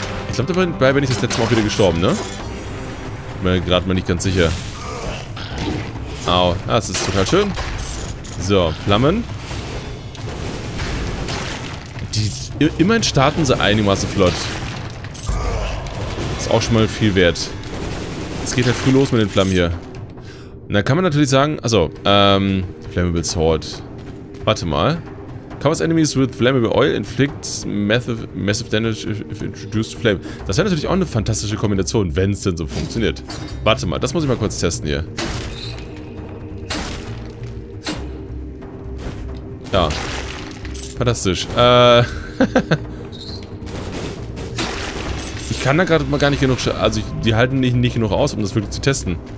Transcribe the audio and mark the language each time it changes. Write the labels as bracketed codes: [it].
[de] Ich glaube, dabei bin ich das letzte Mal auch wieder gestorben, ne? Bin mir gerade mal nicht ganz sicher. Au. Ah, das ist total schön. So, Flammen. Die immerhin starten sie einigermaßen flott. Ist auch schon mal viel wert. Es geht halt früh los mit den Flammen hier. Na, kann man natürlich sagen. Achso, Flammable Sword. Warte mal. [en] Covers enemies with flammable oil, inflict massive damage if introduced flame. [de] Das wäre natürlich auch eine fantastische Kombination, wenn es denn so funktioniert. Warte mal, das muss ich mal kurz testen hier. Ja. Fantastisch. Ich kann da gerade mal gar nicht genug. Also, die halten nicht genug aus, um das wirklich zu testen.